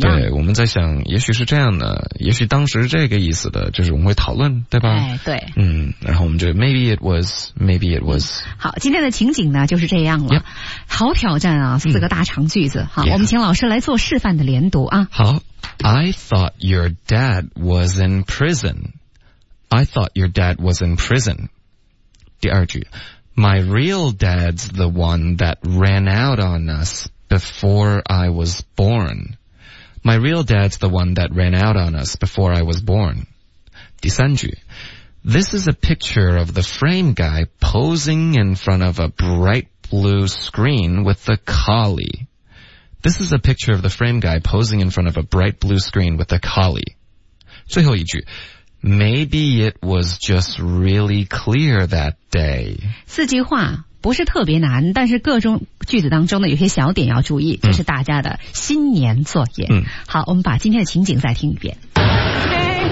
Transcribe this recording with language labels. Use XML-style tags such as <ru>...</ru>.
<zh>对我们在想也许是这样的也许当时是这个意思的就是我们会讨论对吧、哎、对然后我们就</zh> <en>maybe it was</en> <zh>好今天的情景呢就是这样了、</zh> <en>yep.</en> <zh>好挑战啊四个大长句子好、</zh> <en>yeah.</en> <zh>我们请老师来做示范的连读啊</zh> <en>好 I thought your dad was in prisonI thought your dad was in prison.</en> <zh>第二句</zh> <en>My real dad's the one that ran out on us before I was born. My real dad's the one that ran out on us before I was born.</en> <zh>第三句</zh> <en>This is a picture of the frame guy posing in front of a bright blue screen with a collie. This is a picture of the frame guy posing in front of a bright blue screen with a collie.</en> <zh>最后一句</zh> <en>Maybe it was just really clear that day.</en> <zh>四句话不是特别难，但是各种句子当中呢，有些小点要注意，这是大家的新年作业。好，我们把今天的情景再听一遍。</zh>